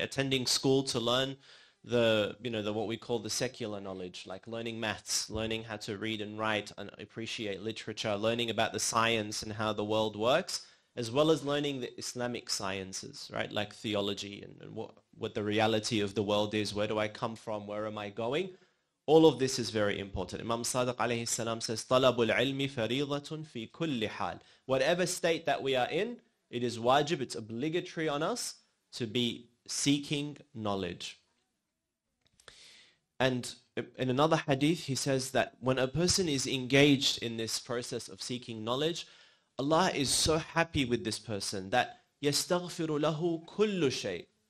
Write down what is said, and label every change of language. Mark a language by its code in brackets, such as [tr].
[en] Attending school to learn the, you know, the what we call the secular knowledge, like learning maths, learning how to read and write and appreciate literature, learning about the science and how the world works, as well as learning the Islamic sciences, right? Like theology and what the reality of the world is, where do I come from, where am I going? All of this is very important. Imam Sadiq alayhi salam says, [ar] طلب العلم فريضة في كل حال. [en] Whatever state that we are in, it is wajib, it's obligatory on us to be seeking knowledge. And in another hadith, he says that when a person is engaged in this process of seeking knowledge, Allah is so happy with this person that [ar] يستغفر له كل شيء.